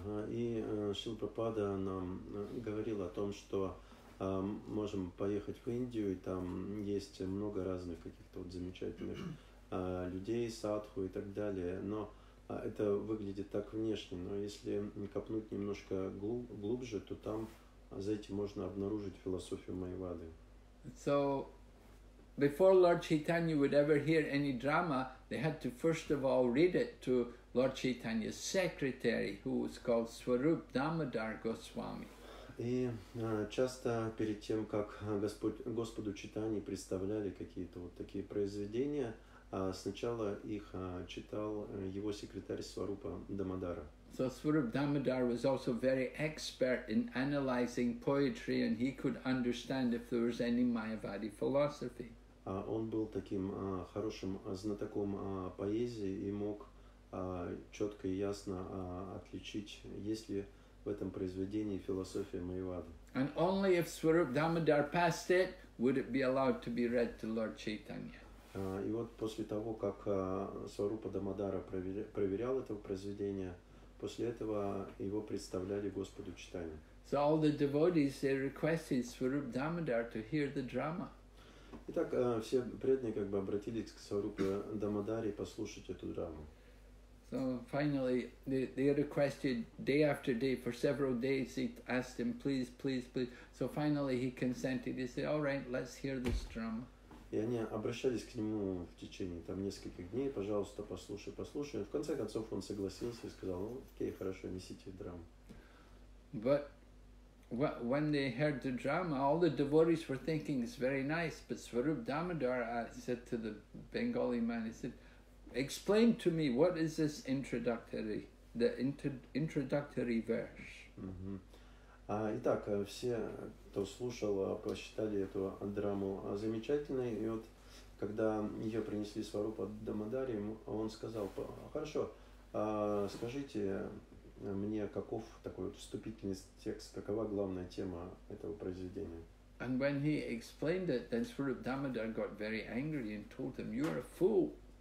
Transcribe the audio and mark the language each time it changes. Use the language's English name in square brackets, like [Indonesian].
[Russian] И Шрила Прабхупада нам говорил о том, что можем поехать в Индию, и там есть много разных каких-то вот замечательных людей, садху и так далее, но это выглядит так внешне, но если копнуть немножко глубже, то там за этим можно обнаружить философию майявады. [English] So, before Lord Chaitanya would ever hear any drama, they had to first of all read it to Lord Chaitanya's secretary, who was called Swarup Damodar Goswami. [Russian] И часто перед тем, как Господу Чайтанье представляли какие-то вот такие произведения, Сначала их читал его секретарь Сварупа Дамодара. [English] So Swarup Damodar was also very expert in analyzing poetry, and he could understand if there was any Mayavadi philosophy. [Russian] Он был таким хорошим знатоком поэзии и мог четко и ясно отличить, есть ли в этом произведении философия Майявады. [English] And only if Swarup Damodar passed it would it be allowed to be read to Lord Chaitanya. [Russian] И вот после того, как Сварупа Дамодара проверял это произведение, после этого его представляли Господу Чайтанье. [English] So all the devotees, they requested Swarup Damodar to hear the drama. [Russian] Итак, все преданные как бы обратились к Сварупе Дамодаре послушать эту драму. [English] So finally, they requested day after day for several days. He asked him, please, please, please. So finally, he consented. He said, all right, let's hear this drama. [Russian] И они обращались к нему в течение там нескольких дней, пожалуйста, послушай, послушай. В конце концов он согласился и сказал, окей, хорошо, несите драму. [English] But when they heard the drama, all the devotees were thinking it's very nice. But Swarup Damodar said to the Bengali man, he said, explain to me what is this introductory, the introductory verse. [Russian] Итак, все, кто слушал, посчитали эту драму замечательной. И вот, когда ее принесли Сварупа Дамодаре, он сказал, хорошо, скажите мне, каков такой вот вступительный текст, какова главная тема этого произведения. [English] And when he explained it, then Swarup Damodar got very angry and told him, you're a fool.